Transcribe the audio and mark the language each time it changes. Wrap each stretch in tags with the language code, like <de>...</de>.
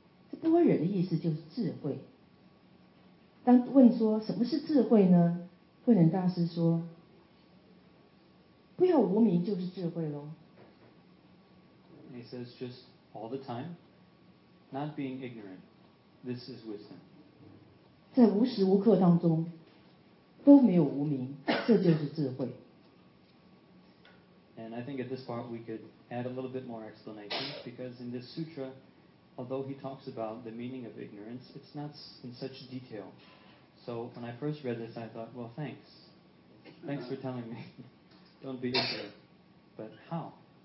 <zh>这般若的意思就是智慧。当问说什么是智慧呢？慧能大师说：“不要无明就是智慧喽。”</zh> <en>He says just all the time, not being ignorant, this is wisdom.</en> <zh>在无时无刻当中都没有无明，这就是智慧。</zh> <en>And I think at this part we could add a little bit more explanation because in this sutra, although he talks about the meaning of ignorance, it's not in such detail. So when I first read this, I thought, well, thanks. Thanks for telling me. Don't be ignorant. But how?</en>